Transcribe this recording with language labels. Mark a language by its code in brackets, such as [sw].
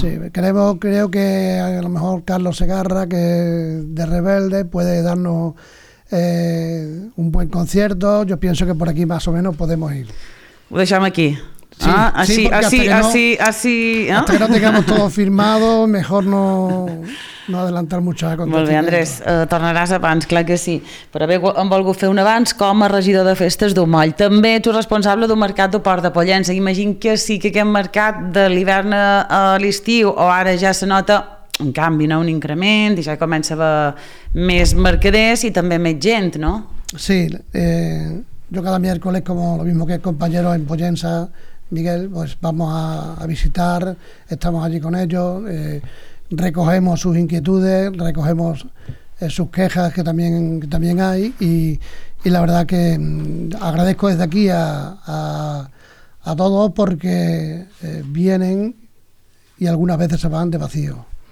[es] Sí, creo que a lo mejor Carlos Segarra, que de Rebelde, puede darnos un buen concierto. Yo pienso que por aquí más o menos podemos ir. [ca] Ho deixem aquí. Sí, [es] así. Hasta que no tengamos todo firmado, mejor no adelantar mucho a contar. [ca] Molt bé, Andrés, tornaràs abans, clar que sí. Però bé, em volgo fer un abans com a regidor de festes d'Omoll. També ets responsable d'un mercat de Port de Pollença. Imagina que sí, que aquest mercat de l'hivern a l'estiu, o ara ja se nota un canvi, no? Un increment, i ja comença a haver més mercaders i també més gent, no? [es] Sí, yo cada miércoles, como lo mismo que el compañero en Pollença, Miguel, pues vamos a visitar, estamos allí con ellos, recogemos sus inquietudes, recogemos sus quejas que también hay, y la verdad que agradezco desde aquí a todos porque vienen y algunas veces se van de vacío.